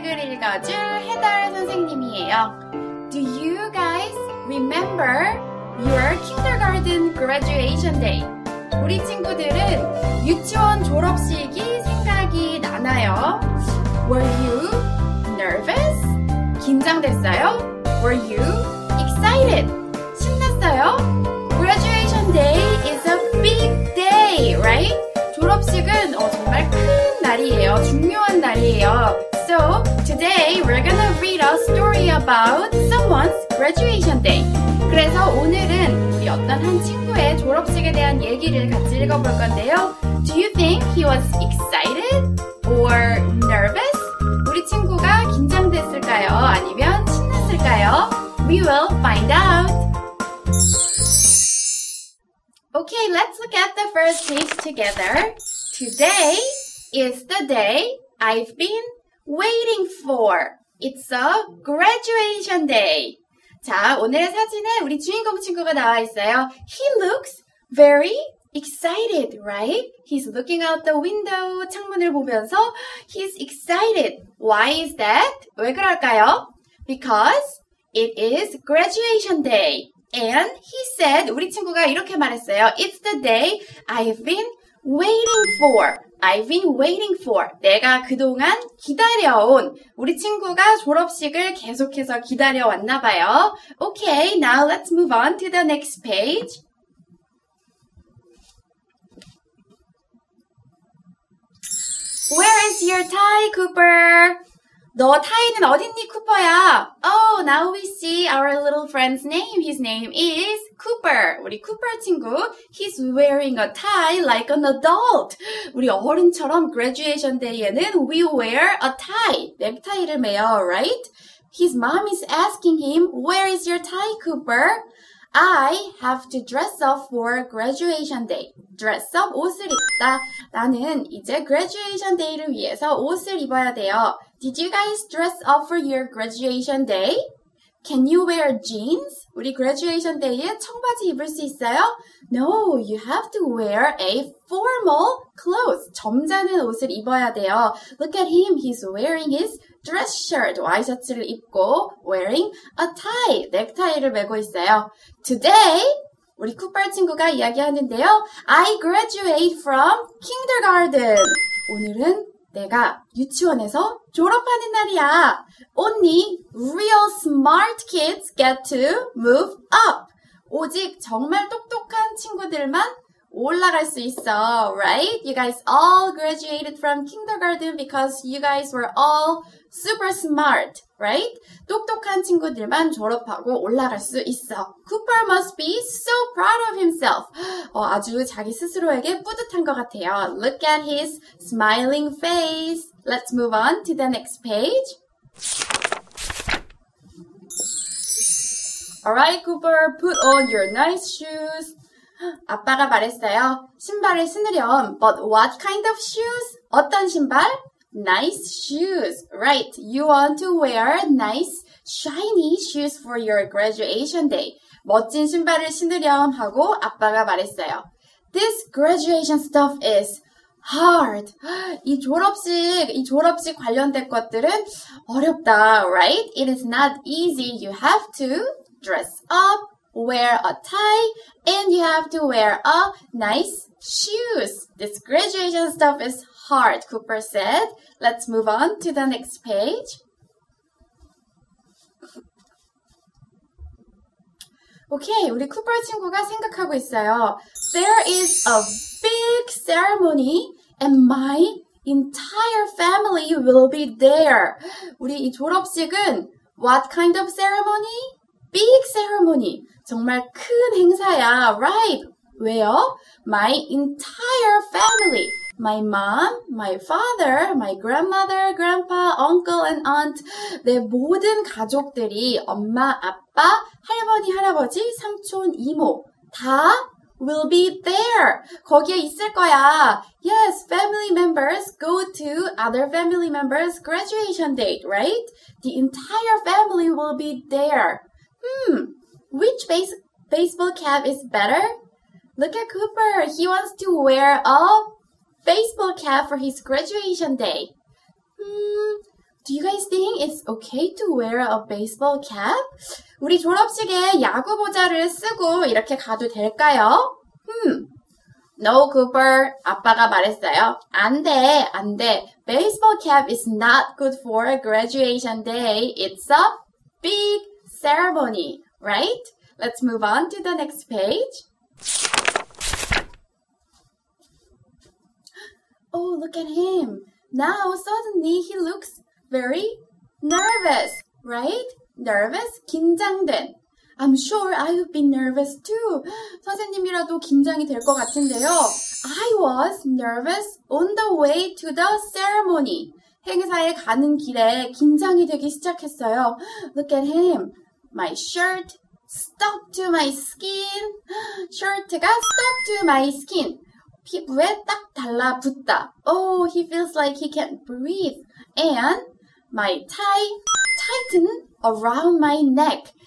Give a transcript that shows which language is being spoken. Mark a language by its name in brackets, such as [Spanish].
[English] Do you guys remember your kindergarten graduation day? [Korean] 우리 친구들은 유치원 졸업식이 생각이 나나요? [English] Were you nervous? [Korean] 긴장됐어요? [English] Were you excited? [Korean] 신났어요? [English] Graduation day is a big day, right? [Korean] 졸업식은 정말 큰 날이에요. 중요한 날이에요. [English] So, today we're gonna read a story about someone's graduation day. [Korean] 그래서 오늘은 우리 어떤 한 친구의 졸업식에 대한 얘기를 같이 읽어볼 건데요. [English] Do you think he was excited or nervous? [Korean] 우리 친구가 긴장됐을까요? [English] 아니면 신났을까요? We will find out. Okay, let's look at the first page together. Today is the day I've been waiting for. It's a graduation day. [Korean] 자, 오늘의 사진에 우리 주인공 친구가 나와 있어요. [English] He looks very excited, right? He's looking out the window, [Korean] 창문을 보면서 [English] he's excited. Why is that? [Korean] 왜 그럴까요? [English] Because it is graduation day. And he said, [Korean] 우리 친구가 이렇게 말했어요. [English] It's the day I've been waiting for. I've been waiting for. [Korean] 내가 그동안 기다려온. 우리 친구가 졸업식을 계속해서 기다려왔나 봐요. [English] Okay, now let's move on to the next page. Where is your tie, Cooper? [Korean] 너 타이는 어딨니, 쿠퍼야? [English] Oh, now we see our little friend's name. His name is Cooper. [Korean] 우리 쿠퍼 친구. [English] He's wearing a tie like an adult. [Korean] 우리 어른처럼 [English] graduation day에는 we wear a tie. [Korean] 넥타이를 매요, right? [English] His mom is asking him, where is your tie, Cooper? I have to dress up for graduation day. Dress up, [Korean] 옷을 입다. 나는 이제 graduation day를 위해서 옷을 입어야 돼요. [English] Did you guys dress up for your graduation day? Can you wear jeans? [Korean] 우리 graduation day에 청바지 입을 수 있어요? [English] No, you have to wear a formal clothes. [Korean] 점잖은 옷을 입어야 돼요. [English] Look at him, he's wearing his dress shirt, [Korean] 와이셔츠를 입고 [English] wearing a tie, [Korean] 넥타이를 매고 있어요. [English] Today, [Korean] 우리 쿠퍼 친구가 이야기하는데요. [English] I graduate from kindergarten. [Korean] 오늘은 내가 유치원에서 졸업하는 날이야. [English] Only real smart kids get to move up. [Korean] 오직 정말 똑똑한 친구들만 올라갈 수 있어, right? [English] You guys all graduated from kindergarten because you guys were all super smart, right? [Korean] 똑똑한 친구들만 졸업하고 올라갈 수 있어. [English] Cooper must be so proud of himself. [Korean] 아주 자기 스스로에게 뿌듯한 것 같아요. [English] Look at his smiling face. Let's move on to the next page. Alright, Cooper, put on your nice shoes. [Korean] 아빠가 말했어요. 신발을 신으렴. [English] But what kind of shoes? [Korean] 어떤 신발? [English] Nice shoes. Right. You want to wear nice shiny shoes for your graduation day. [Korean] 멋진 신발을 신으렴 하고 아빠가 말했어요. [English] This graduation stuff is hard. [Korean] 이 졸업식 관련된 것들은 어렵다. [English] Right? It is not easy. You have to dress up. Wear a tie, and you have to wear a nice shoes. This graduation stuff is hard, Cooper said. Let's move on to the next page. [Korean] Okay, 우리 쿠퍼 친구가 생각하고 있어요. [English] There is a big ceremony, and my entire family will be there. [Korean] 우리 이 졸업식은 [English] what kind of ceremony? Big ceremony. [Korean] 정말 큰 행사야, right? 왜요? [English] My entire family. My mom, my father, my grandmother, grandpa, uncle, and aunt. [Korean] 내 모든 가족들이 엄마, 아빠, 할머니, 할아버지, 삼촌, 이모. 다 [English] will be there. [Korean] 거기에 있을 거야. [English] Yes, family members go to other family members' graduation date, right? The entire family will be there. Hmm, which baseball cap is better? Look at Cooper. He wants to wear a baseball cap for his graduation day. Hmm, do you guys think it's okay to wear a baseball cap? [Korean] 우리 졸업식에 야구 모자를 쓰고 이렇게 가도 될까요? Hmm. [English] No, Cooper. [Korean] 아빠가 말했어요. 안 돼, 안 돼. [English] Baseball cap is not good for a graduation day. It's a big ceremony, right? Let's move on to the next page. Oh, look at him. Now, suddenly, he looks very nervous, right? Nervous? [Korean] 긴장된. [English] I'm sure I've been nervous too. [Korean] 선생님이라도 긴장이 될 것 같은데요. [English] I was nervous on the way to the ceremony. [Korean] 행사에 가는 길에 긴장이 되기 시작했어요. [English] Look at him. My shirt stuck to my skin. Shirt가 stuck to my skin. [Korean] 피부에 딱 달라붙다. [English] Oh, he feels like he can't breathe. And my tie tightened around my neck.